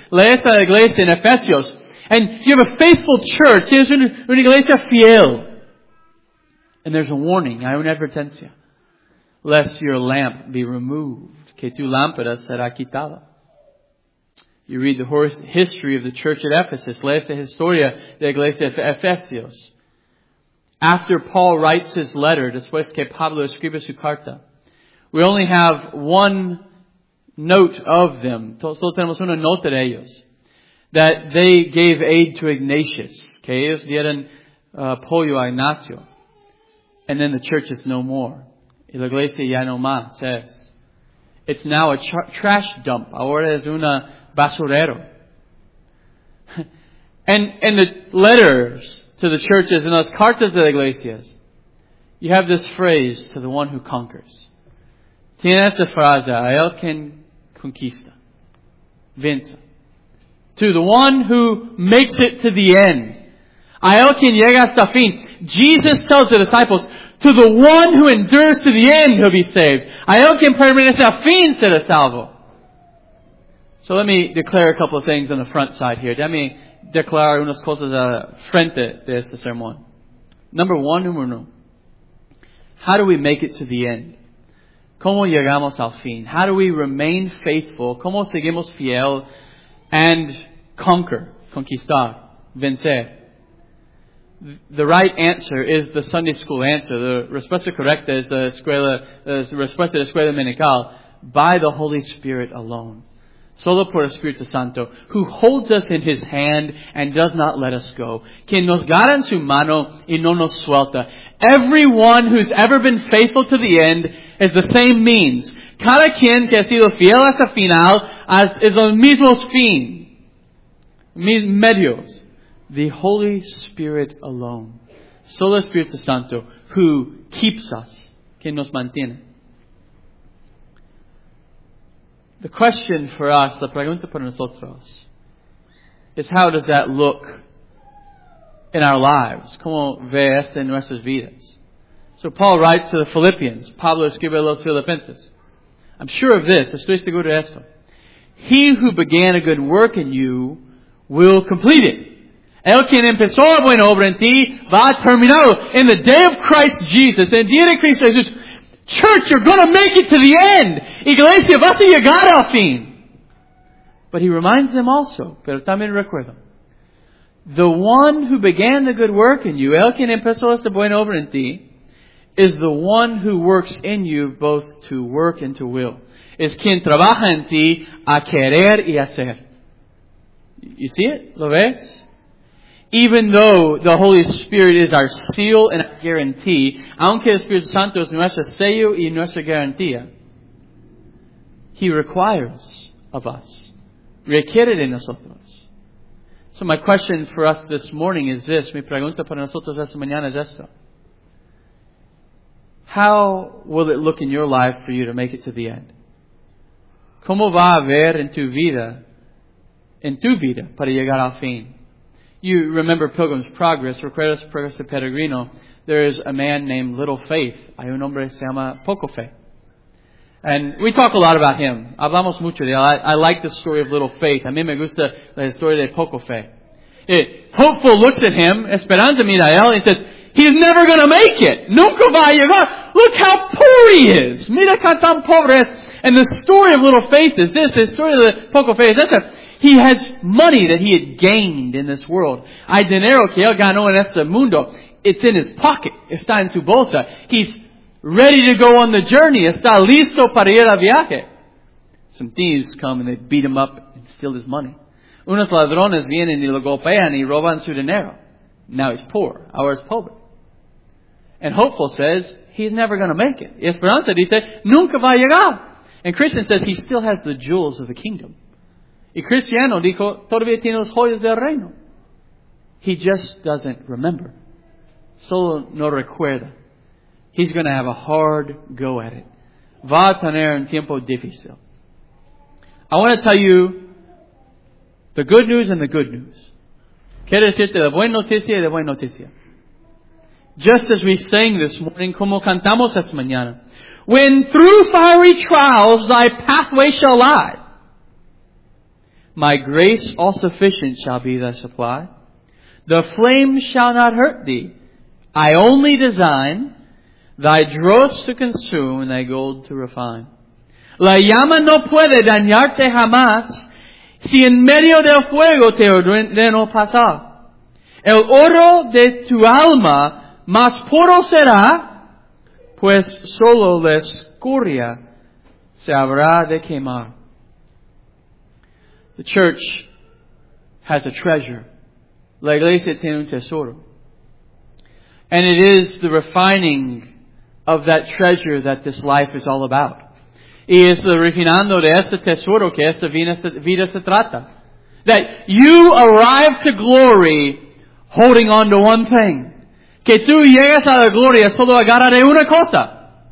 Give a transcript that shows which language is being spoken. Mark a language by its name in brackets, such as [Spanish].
[Spanish] Lees a la iglesia en Efesios. [English] And you have a faithful church. [Spanish] Tienes una iglesia fiel. [English] And there's a warning, [Spanish] hay una advertencia. [English] Lest your lamp be removed, [Spanish] que tu lámpara será quitada. [English] You read the history of the church at Ephesus. [Spanish] Lees la historia de la iglesia de Efesios. [English] After Paul writes his letter, [Spanish] después que Pablo escribe su carta, [English] we only have one note of them. [Spanish] Solo tenemos una nota de ellos. [English] That they gave aid to Ignatius. [Spanish] Que ellos dieron apoyo a Ignacio. [English] And then the church is no more. [Spanish] Y la iglesia ya no más, [English] says. It's now a trash dump. [Spanish] Ahora es una basurero. [English] And the letters to the churches and [Spanish] las cartas de la iglesia, [English] you have this phrase, to the one who conquers. [Spanish] Tiene esta frase, a el que conquista. Vence. [English] To the one who makes it to the end. [Spanish] A el que llega hasta fin. [English] Jesus tells the disciples, to the one who endures to the end, he'll be saved. [Spanish] A el que permanece hasta fin, será salvo. [English] So let me declare a couple of things on the front side here. Let me declare [Spanish] unas cosas a frente de este sermón. [English] Number one, [Spanish] número uno. [English] How do we make it to the end? [Spanish] ¿Cómo llegamos al fin? [English] How do we remain faithful? [Spanish] ¿Cómo seguimos fiel? [English] And conquer, [Spanish] conquistar, vencer. [English] The right answer is the Sunday school answer. The [Spanish] respuesta correcta es la escuela, respuesta de escuela dominical. [English] By the Holy Spirit alone. [Spanish] Solo por Espíritu Santo, [English] who holds us in His hand and does not let us go. [Spanish] Quien nos guarda en su mano y no nos suelta. [English] Everyone who's ever been faithful to the end is the same means. [Spanish] Cada quien que ha sido fiel hasta final es el mismo fin. [English] Medios. The Holy Spirit alone. [Spanish] Solo Espíritu Santo, [English] who keeps us. [Spanish] Quien nos mantiene. [English] The question for us, [Spanish] la pregunta para nosotros, [English] is how does that look in our lives? [Spanish] ¿Cómo ve esto en nuestras vidas? [English] So Paul writes to the Philippians. [Spanish] Pablo escribe a los Filipenses. [English] I'm sure of this. [Spanish] Estoy seguro de esto. [English] He who began a good work in you will complete it. [Spanish] El quien empezó a buena obra en ti va a terminarlo. [English] In the day of Christ Jesus, [Spanish] en día de Cristo Jesús, [English] church, you're going to make it to the end. [Spanish] Iglesia, vas a llegar al fin. [English] But he reminds them also, [Spanish] pero también recuerda, [English] the one who began the good work in you, [Spanish] el quien empezó esta buena obra en ti, [English] is the one who works in you both to work and to will. [Spanish] Es quien trabaja en ti a querer y hacer. [English] You see it? [Spanish] ¿Lo ves? [English] Even though the Holy Spirit is our seal and our guarantee, [Spanish] aunque el Espíritu Santo es nuestro sello y nuestra garantía, [English] He requires of us, [Spanish] requiere de nosotros. [English] So my question for us this morning is this, [Spanish] mi pregunta para nosotros esta mañana es esto. [English] How will it look in your life for you to make it to the end? [Spanish] ¿Cómo va a haber en tu vida, para llegar al fin? [English] You remember Pilgrim's Progress, [Spanish] Recuerdos Progreso Peregrino. [English] There is a man named Little Faith. [Spanish] Hay un hombre que se llama Poco Fe. [English] And we talk a lot about him. [Spanish] Hablamos mucho de él. [English] I like the story of Little Faith. [Spanish] A mí me gusta la historia de Poco Fe. [English] Hopeful looks at him, [Spanish] Esperanza mira a él, [English] and says, he's never going to make it. [Spanish] Nunca va a llegar. [English] Look how poor he is. [Spanish] Mira que tan pobre es. [English] And the story of Little Faith is this. The story of Poco Fe is this. He has money that he had gained in this world. [Spanish] Hay dinero que él ganó en este mundo. [English] It's in his pocket. [Spanish] Está en su bolsa. [English] He's ready to go on the journey. [Spanish] Está listo para ir al viaje. [English] Some thieves come and they beat him up and steal his money. [Spanish] Unos ladrones vienen y lo golpean y roban su dinero. [English] Now he's poor. [Spanish] Ahora es pobre. [English] And Hopeful says he's never going to make it. [Spanish] Y Esperanza dice, nunca va a llegar. [English] And Christian says he still has the jewels of the kingdom. [Spanish] Y Cristiano dijo, todavía tiene los joyas del reino. [English] He just doesn't remember. [Spanish] Solo no recuerda. [English] He's going to have a hard go at it. [Spanish] Va a tener un tiempo difícil. [English] I want to tell you the good news and the good news. [Spanish] Quiero decirte la buena noticia y la buena noticia. [English] Just as we sang this morning, [Spanish] como cantamos esta mañana. [English] When through fiery trials thy pathway shall lie. My grace all sufficient shall be thy supply. The flame shall not hurt thee. I only design thy dross to consume and thy gold to refine. [Spanish] La llama no puede dañarte jamás si en medio del fuego te ordeno pasar. El oro de tu alma más puro será, pues solo la escoria se habrá de quemar. [English] The church has a treasure. [Spanish] La iglesia tiene un tesoro. [English] And it is the refining of that treasure that this life is all about. [Spanish] Y es el refinando de este tesoro que esta vida se trata. [English] That you arrive to glory holding on to one thing. [Spanish] Que tú llegas a la gloria solo agarra de una cosa.